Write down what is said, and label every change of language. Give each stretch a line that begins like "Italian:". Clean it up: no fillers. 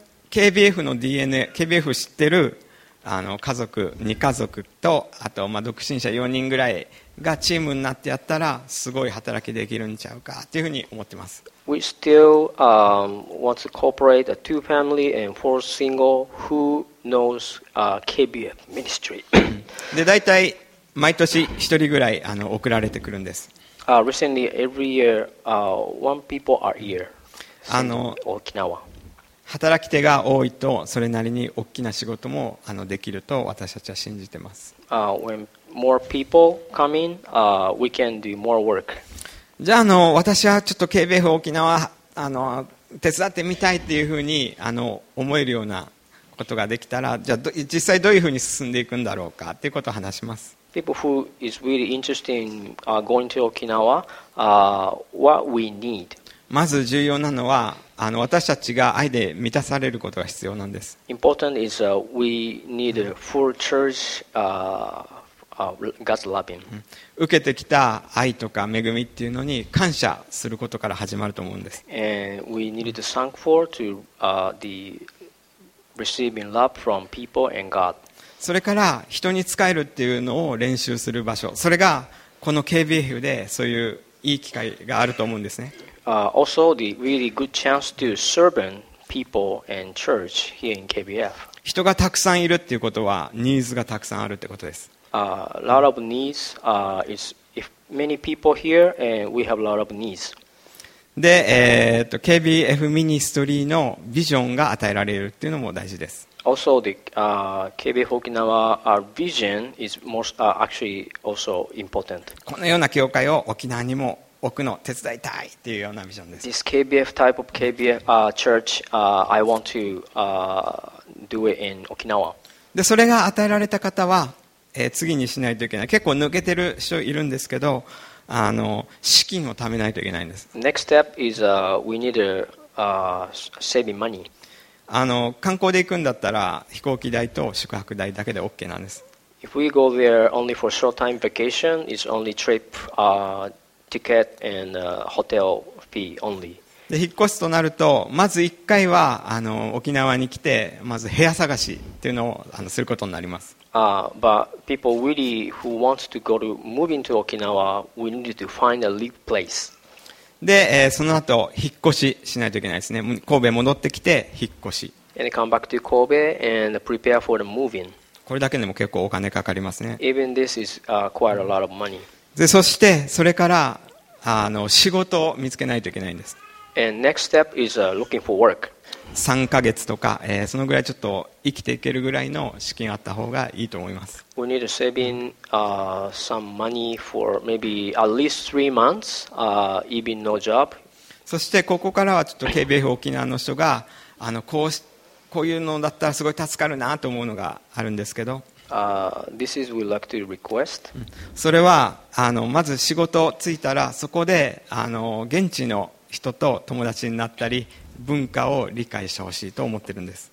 Japanese: KBF の DNA、 KBF 知ってる家族、2家族とあと、まあ、独身者4人ぐらいがチームになってやったらすごい働きできるんちゃうかっていうふうに思ってます。
English: We still want to cooperate a two family and four single who knows KBF ministry.
Japanese: で、だいたい毎年1人ぐらい送られてくるんです。
English: Recently, every year, one people are here.
Japanese: 沖縄働き手が多いとそれなりに大きな仕事もできると私たちは信じてます。
English: When more people come in, we can do more work.
Japanese: じゃあ私はちょっと KBF 沖縄手伝ってみたいっていうふうに思えるようなことができたら、じゃあ実際どういうふうに進んでいくんだろうかっていうことを話します。
English: People who is really interested in going to Okinawa, what we need.
Japanese: まず重要なのは私たちが愛で満たされることが必要なんです。
English: Important is we need a full church God's loving.
Japanese: 受けてきた愛とか恵みっていうのに感謝することから始まると思うんです。
English: And we need to thank for to, the receiving love from people and God.
Japanese: それから人に仕えるっていうのを練習する場所、それがこの KBF でそういういい機会があると思うんですね。
English: Also the really good chance to serve people and church here in KBF.
Japanese: 人がたくさんいるっていうことはニーズがたくさんあるってことです。
English: Lot of needs, is if many people here and we have a lot of needs.
Japanese: で、KBF ミニストリーのビジョンが与えられるっていうのも大事です。
English: Also the KBF Okinawa vision is most, actually also important.
Japanese: このような教会を沖縄にも置くの手伝いたいっていうようなビジョンです。
English: This KBF type of KBF church, I want to do it in Okinawa.
Japanese: で、それが与えられた方は次にしないといけない。結構抜けてる人いるんですけど、資金を貯めないといけないんです。
English: Next step is, we need to, saving money.
Japanese: 観光で行くんだったら飛行機代と宿泊代だけで OK なんです。
English: If we go there only for short time vacation, it's only trip, ticket and, hotel fee only.
Japanese: で、引っ越すとなるとまず1回は沖縄に来てまず部屋探しっていうのをすることになります。
English: But people really who want to go to moving to Okinawa, we need to find a live place.
Japanese: で、その後引っ越ししないといけないですね。神戸戻ってきて引っ越し。
English: And come back to Kobe and prepare for the moving.
Japanese: これだけでも結構お金かかりますね。
English: Even this is quite a lot of money.
Japanese: で、そしてそれから仕事を見つけないといけないんです。
English: And next step is looking for work.
Japanese: 3ヶ月とか、そのぐらいちょっと生きていけるぐらいの資金あった方がいいと思います。
English: We need to save in, some money for maybe at least 3 months, even no job.
Japanese: そしてここからはちょっと KBF 沖縄の人がこういうのだったらすごい助かるなと思うのがあるんですけど、
English: This is we'd like to request.
Japanese: それはまず仕事ついたらそこで現地の人と友達になったり文化を理解してほしいと思ってるんです。